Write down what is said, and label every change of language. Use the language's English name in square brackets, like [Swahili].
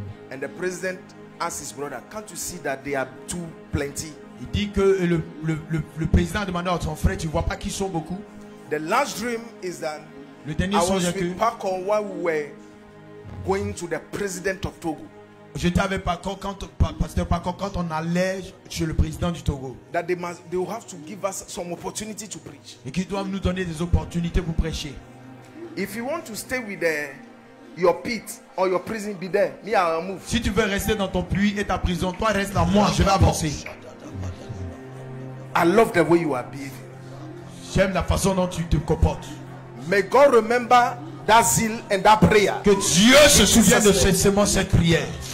[English] And the president asked his brother, "Can't you see that they are too plenty?" [French] Il dit que le président a demandé à son frère, tu vois pas qu'ils sont beaucoup? [English] The last dream is that [French] le dernier songe que [English] Paco, we were going to the president of Togo. [French] J'étais avec Paco quand pasteur Paco quand on allait chez le président du Togo. [English] That they will have to give us some opportunity to preach. [French] Et qu'ils doivent nous donner des opportunités pour prêcher. [English] If you want to stay with your pit or your prison, be there. Me, I'll move. [French] Si tu veux rester dans ton puits et ta prison, toi reste là. Moi, je vais avancer. [English] I love the way you are behaving. [French] J'aime la façon dont tu te comportes. [English] May God remember that zeal and that prayer. [French] Que Dieu se souvienne de ces semences, cette prière.